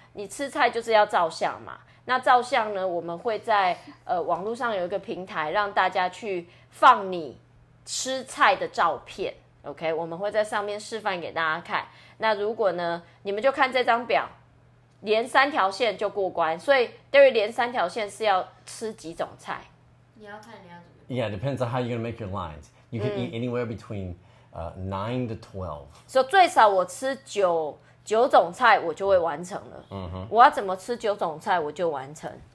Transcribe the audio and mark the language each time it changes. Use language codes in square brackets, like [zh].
[zh] 你吃菜就是要照相嘛。那照相呢，我们会在网络上有一个平台让大家去放你吃菜的照片。 OK， 我们会在上面示范给大家看。那如果呢，你们就看这张表，连三条线就过关。所以 Derry 连三条线是要吃几种菜？你要看你要怎么样。 [en] Yeah, depends on how you're gonna make your lines. You can eat anywhere between 9 to 12. [zh] So 最少我吃九种菜，我就会完成了。我要怎么吃九种菜，我就完成。